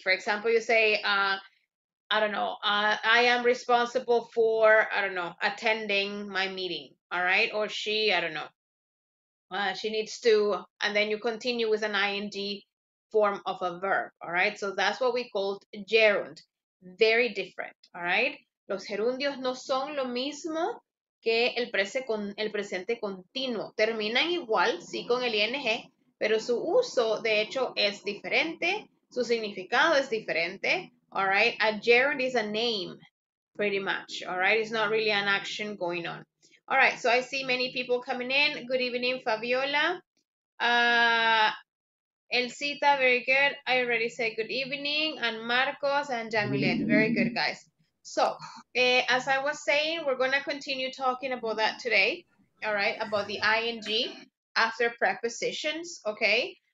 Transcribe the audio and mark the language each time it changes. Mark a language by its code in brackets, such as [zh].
[en] For example, you say, I am responsible for, attending my meeting, all right, or she, she needs to, and then you continue with an ing form of a verb, all right? So that's what we call gerund, very different, all right? [es] Los gerundios no son lo mismo que el presente continuo. Terminan igual, sí, con el ing, pero su uso, de hecho, es diferente, su significado es diferente, [en] all right? A gerund is a name, pretty much, all right? It's not really an action going on. All right, so I see many people coming in. Good evening, Fabiola. Elcita, very good. I already said good evening. And Marcos and Jamilet, very good, guys. So, as I was saying, we're going to continue talking about that today, all right, about the ing after prepositions, okay?